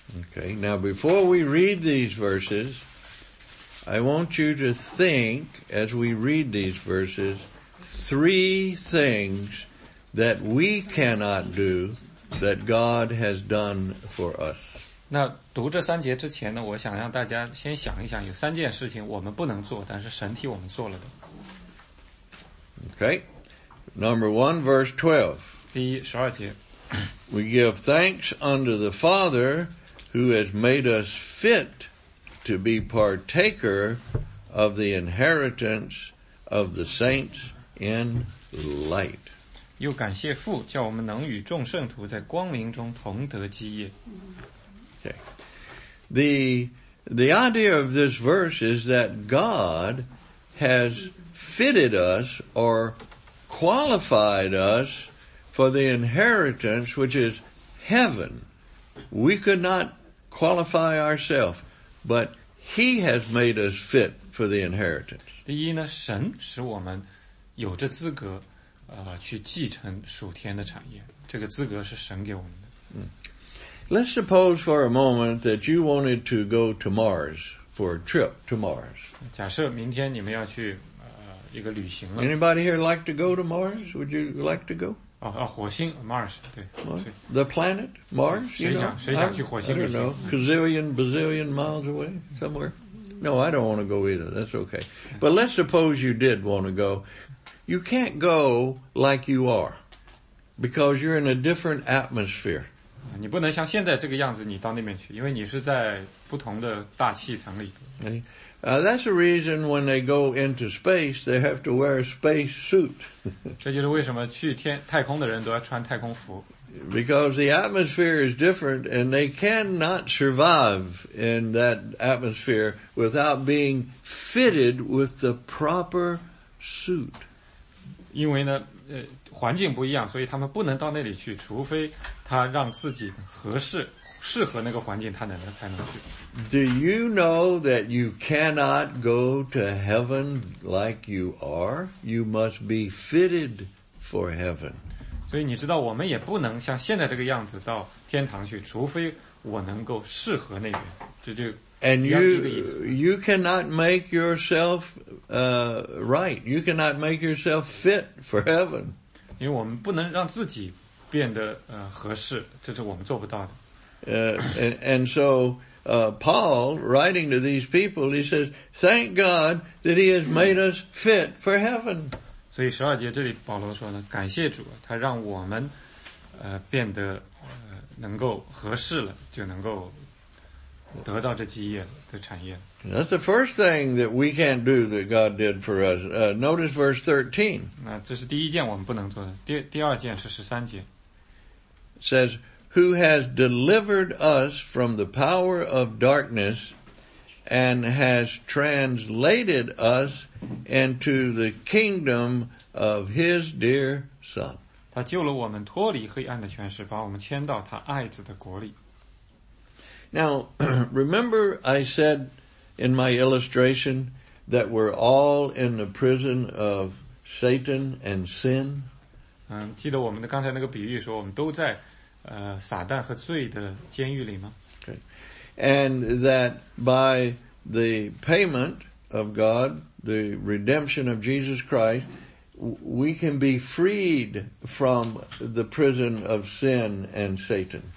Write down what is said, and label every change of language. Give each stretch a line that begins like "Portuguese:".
English: Okay, now before we read these verses, I want you to think, as we read these verses, three things that we cannot do that God has done for us.
Chinese: 那读这三节之前呢，我想让大家先想一想，有三件事情我们不能做，但是神替我们做了的。
English: Okay, number one, verse 12.
Chinese: 第一，十二节。
English: We give thanks unto the Father who has made us fit to be partaker of the inheritance of the saints in light.
Chinese: 又感谢父，叫我们能与众圣徒在光明中同得基业。
English: Okay. The idea of this verse is that God has fitted us or qualified us for the inheritance which is heaven. We could not qualify ourselves, but He has made us fit for the inheritance.
Chinese: 第一呢，神使我们有着资格去继承属天的产业，这个资格是神给我们的。
English: Let's suppose for a moment that you wanted to go to Mars for a trip to Mars.
Chinese: 假设明天你们要去一个旅行了。
English: Anybody here like to go to Mars? Would you like to go?
Chinese: 火星 Mars, 对。
English: The planet, Mars?
Chinese: 谁想去火星旅行？
English: I don't know, gazillion, bazillion miles away somewhere? No, I don't want to go either, that's okay. But let's suppose you did want to go. You can't go like you are, because you're in a different atmosphere.
Chinese: 你不能像现在这个样子你到那边去，因为你是在不同的大气层里。
English: That's the reason when they go into space, they have to wear a space suit.
Chinese: 这就是为什么去太空的人都要穿太空服。
English: Because the atmosphere is different and they cannot survive in that atmosphere without being fitted with the proper suit.
Chinese: 因为呢环境不一样，所以他们不能到那里去，除非他让自己合适。适合那个环境，他能才能去。
English: Do you know that you cannot go to heaven like you are? You must be fitted for heaven.
Chinese: 所以你知道，我们也不能像现在这个样子到天堂去，除非我能够适合那边。这就
English: And you cannot make yourself right. You cannot make yourself fit for heaven.
Chinese: 因为我们不能让自己变得合适，这是我们做不到的。
English: And so Paul, writing to these people, he says, thank God that he has made us fit for heaven.
Chinese: 所以十二节这里保罗说呢，感谢主，他让我们变得能够合适了，就能够得到这基业的产业。
English: That's the first thing that we can't do that God did for us. Notice verse 13.
Chinese: 那这是第一件我们不能做的，第二件是十三节。
English: Says,Who has delivered us from the power of darkness and has translated us into the kingdom of His dear Son.
Chinese: 他救了我们脱离黑暗的权势，把我们迁到他爱子的国里。
English: Now, remember I said in my illustration that we're all in the prison of Satan and sin?
Chinese: 记得我们的刚才那个比喻说我们都在撒旦和罪的监狱里吗？
English: Okay. And that by the payment of God, the redemption of Jesus Christ, we can be freed from the prison of sin and Satan.